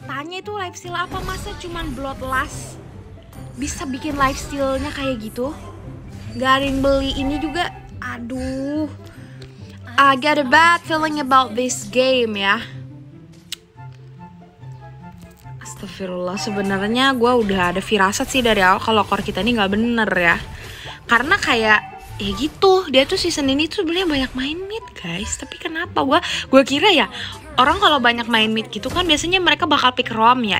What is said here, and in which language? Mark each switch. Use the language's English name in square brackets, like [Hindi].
[Indonesian] Itu life steal apa, masa cuman bloodlust bisa bikin life steal-nya kayak gitu? Gak ada yang beli ini juga. [English] Aduh, I got a bad feeling about this game ya. [Indonesian] Astagfirullah, sebenarnya gue udah ada firasat sih dari awal kalau core kita ini gak bener ya. Karena kayak ya gitu, dia tuh season ini tuh sebenernya banyak main mid guys. Tapi kenapa? Gue kira ya, orang kalau banyak main mid gitu kan biasanya mereka bakal pick roam ya.